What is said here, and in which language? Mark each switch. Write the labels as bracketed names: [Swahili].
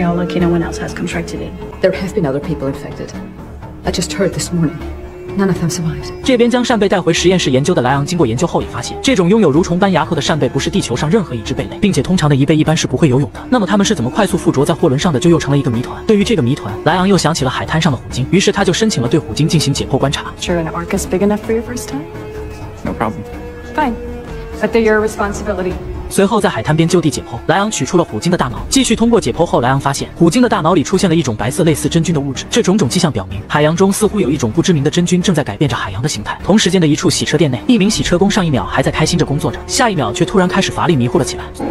[English] General Lucky, no one else has contracted it. There have been other people infected. I just heard this morning. None of them survived. [Chinese] 这边将扇贝带回实验室研究的莱昂，经过研究后也发现，这种拥有蠕虫般牙口的扇贝不是地球上任何一只贝类，并且通常的贻贝一般是不会游泳的。那么他们是怎么快速附着在货轮上的，就又成了一个谜团。对于这个谜团，莱昂又想起了海滩上的虎鲸，于是他就申请了对虎鲸进行解剖观察。 [English] Sure, an orca is big enough for your first time? No problem. Fine, but they're your responsibility. [Chinese] 随后在海滩边就地解剖，莱昂取出了虎鲸的大脑。继续通过解剖后，莱昂发现虎鲸的大脑里出现了一种白色类似真菌的物质。这种种迹象表明，海洋中似乎有一种不知名的真菌正在改变着海洋的形态。同时间的一处洗车店内，一名洗车工上一秒还在开心着工作着，下一秒却突然开始乏力迷糊了起来。